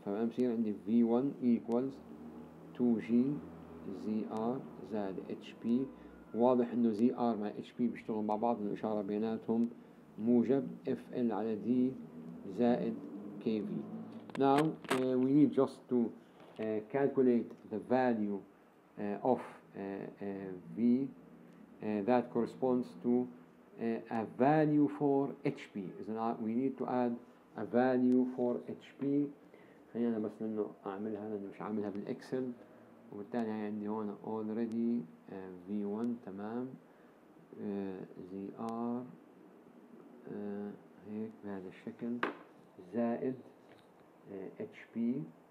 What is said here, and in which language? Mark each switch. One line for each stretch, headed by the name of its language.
Arabic: فبصير عندي V1 equals 2G ZR زائد HP. واضح إنه ZR مع HP بيشتغلوا مع بعض, الإشارة بيناتهم موجب FL على D زائد KV.
English: Now we need just to calculate the value of V that corresponds to a value for HP. We need to add a value for HP.
Arabic: خلينا أنا بس إنه أعملها, لأنه مش عاملها بالإكسل. وبالتالي هي عندي هون already V1 تمام ZR هيك بهذا الشكل زائد HP.